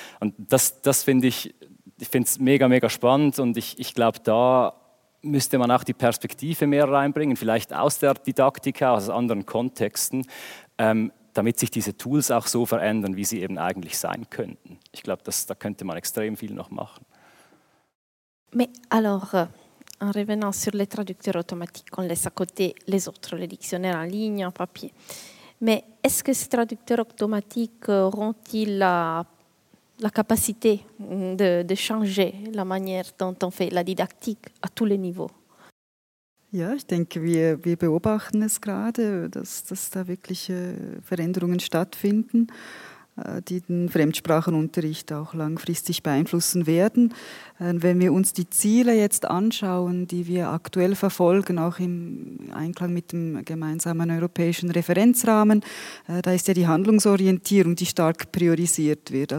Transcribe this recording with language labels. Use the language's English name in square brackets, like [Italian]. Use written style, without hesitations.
[German] Und das finde ich, ich finde es mega, mega spannend, und ich glaube, da müsste man auch die Perspektive mehr reinbringen, vielleicht aus der Didaktik, aus anderen Kontexten, damit sich diese Tools auch so verändern, wie sie eben eigentlich sein könnten. Ich glaube, da könnte man extrem viel noch machen. [French] Mais alors, en revenant sur les traducteurs automatiques, on laisse à côté les autres, les dictionnaires en ligne, en papier. Mais est-ce que ces traducteurs automatiques auront-ils la capacité de changer la manière dont on fait la didactique à tous les niveaux? [German] Ja, ich denke, wir beobachten es gerade, dass da wirklich Veränderungen stattfinden, die den Fremdsprachenunterricht auch langfristig beeinflussen werden. Wenn wir uns die Ziele jetzt anschauen, die wir aktuell verfolgen, auch im Einklang mit dem gemeinsamen europäischen Referenzrahmen, da ist ja die Handlungsorientierung, die stark priorisiert wird.